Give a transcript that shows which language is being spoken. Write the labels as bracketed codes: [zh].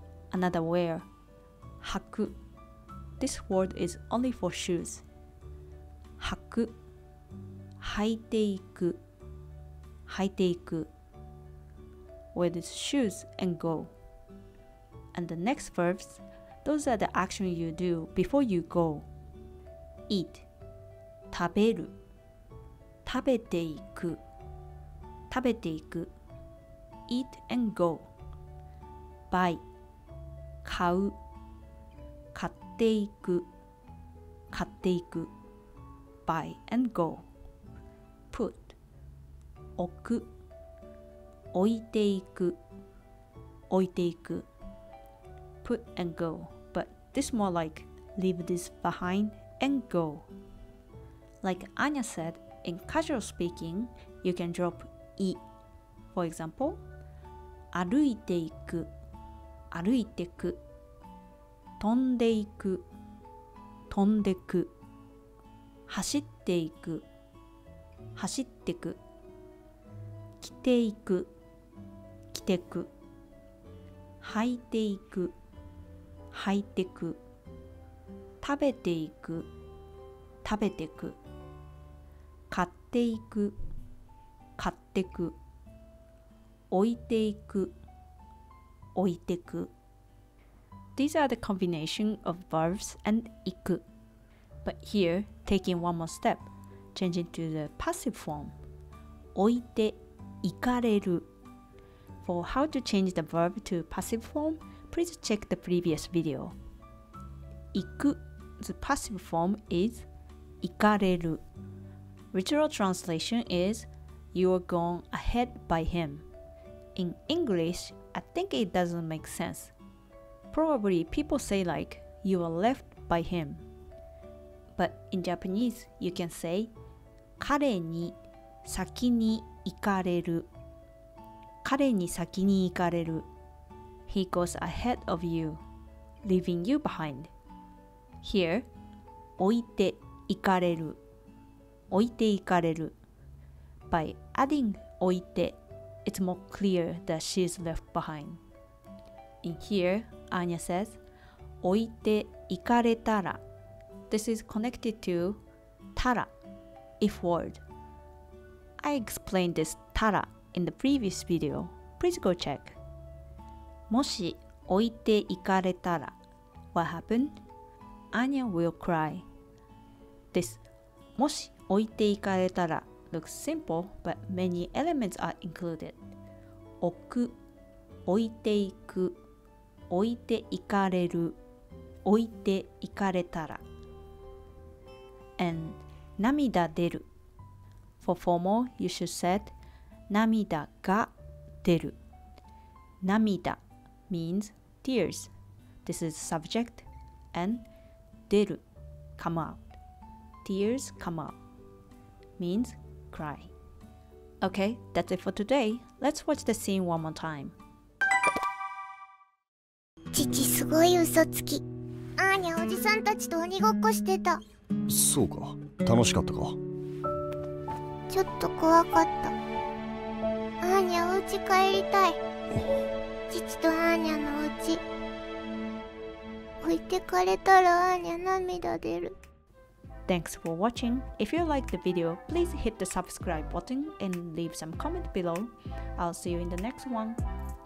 [en] Another wear, 履く This word is only for shoes. [ja] 履く履いていく履いていく [en] Wear these shoes and go. And the next verbs, those are the action you do before you go. Eat, [ja] 食べる食べていく食べていく [en] Eat and go. Buy, [ja] 買う買っていく買っていく [en] Buy and go. Put, [ja] 置く置いていく置いていく [en] Put and go, but this more like leave this behind and go. Like Anya said, in casual speaking, you can drop i. For example, [ja] 歩いていく歩いてく飛んでいく飛んでく走っていく走ってく着ていく着てく履いていく履いてく食べていく食べてく買っていく買ってく置いていく置いてく [en] These are the combination of verbs and 行く But here, taking one more step, changing to the passive form [ja] 置いて行かれる [en] For how to change the verb to passive formPlease check the previous video. 行く The passive form is 行かれる Literal translation is You are gone ahead by him. In English, I think it doesn't make sense. Probably people say like You are left by him. But in Japanese, you can say [ja] 彼に先に行かれる彼に先に行かれる [en] He goes ahead of you, leaving you behind. Here, [ja] 置いて行かれる置いて行かれる [en] By adding 置いて, it's more clear that she's left behind. In here, Anya says, [ja] 置いて行かれたら [en] This is connected to [ja] たら, [en] if word. I explained this たら in the previous video. Please go check. [ja] もし置いて行かれたら [en] What happened? Anya will cry. This もし置いて行かれたら looks simple, but many elements are included. [ja] 置く置いていく置いて行かれる置いて行かれたら [en] And 涙出る。For formal, you should set 涙が出る。涙 means tears. This is subject and 出る come out. Tears come out means cry. Okay, that's it for today. Let's watch the scene one more time. [ja] 父すごい嘘つき。アーニャおじさんたちと鬼ごっこしてた。そうか、楽しかったか。ちょっと怖かった。アーニャお家帰りたい。父とアーニャのお家置いてかれたらアーニャ涙出る。 [en] Thanks for watching. If you like the video, please hit the subscribe button and leave some comment below. I'll see you in the next one.